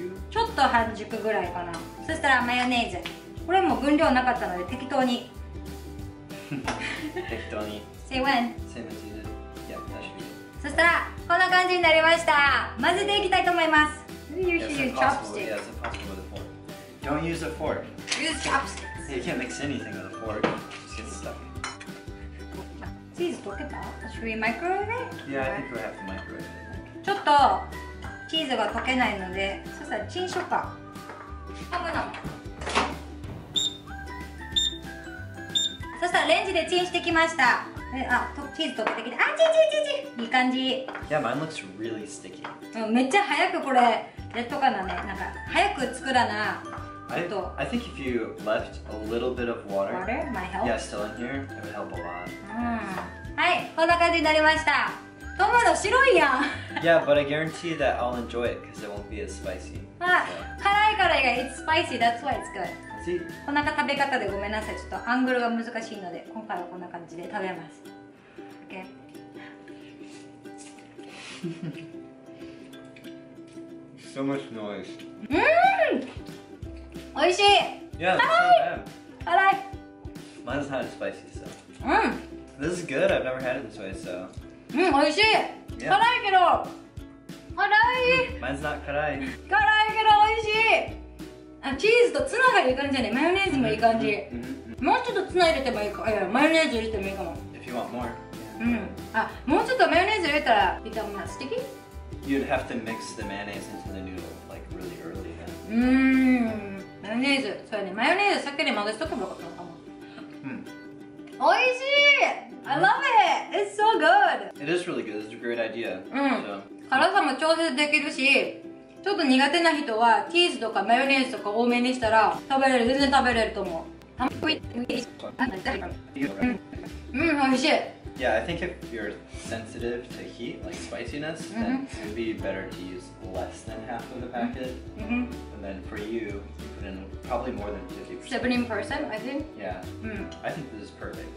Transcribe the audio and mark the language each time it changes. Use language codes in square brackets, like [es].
[ja] ちょっと半熟ぐらいかな。そしたらマヨネーズ。これも分量なかったので適当に。適当に。 [en] Say when? Same as you did. Yeah, that should be. [ja] そしたら、こんな感じになりました。混ぜていきたいと思います。 [en] Maybe you should use chopsticks. Yeah, it's impossible with a fork. Don't use a fork. Use chopsticks. Yeah, you can't mix anything with a fork. Just get stuck. チーズ溶けた？ Should we microwave it? Yeah, I think we have to microwave it. [ja] ちょっとチーズが溶けないので、そしたらチンしようか。ハムの。そしたらレンジでチンしてきました。え、あ、チーズ溶けてきた。あ、チンチンチンチン、いい感じ。 [en] Yeah, mine looks really sticky. [ja] めっちゃ早くこれやっとかなね。なんか早く作らな。 [en] I think if you left a little bit of water, yeah, still in here, it would help a lot. [ja] はい、こんな感じになりました。トマト白いやん。 [en] Yeah, but I guarantee that I'll enjoy it because it won't be as spicy. あ、辛いから以外、 it's spicy, that's why it's good. [ja] こんな食べ方でごめんなさい。ちょっとアングルが難しいので、今回はこんな感じで食べます。 [en] OK? So much noise. [ja] おいしい。 [en] Yeah, [ja] 辛い。 [en] 辛い。 Mine's not as spicy, so. [ja] うん。 [en] This is good. I've never had it this way, so. [ja] うん、おいしい。 [en] Yeah. [ja] 辛いけど。辛い。 [en] Mine's not 辛い。 [ja] 辛いけどおいしい。あ、チーズとツナがいい感じだね。マヨネーズもいい感じ。もうちょっとツナ入れてもいいか。いや、マヨネーズ入れてもいいかも。 [en] If you want more. [ja] あ、もうちょっとマヨネーズ入れたらいいかも。スティキ？ [en] You'd have to mix the mayonnaise into the noodle, like, really early then. [ja] マヨネーズ、そうやね、マヨネーズ先に混ぜしとけばよかったのかも。 [en] おいしい。 I love it! It's so good! It is really good, it's a great idea. [ja] うん、辛さも調節できるし、ちょっと苦手な人はチーズとかマヨネーズとか多めにしたら食べれる、全然食べれると思う。うん、美味しい。 [en] Yeah, I think if you're sensitive to heat, like spiciness, then it would be better to use less than half of the packet. And then for you, you put in probably more than 50%. 70%, I think? Yeah. I think this is perfect.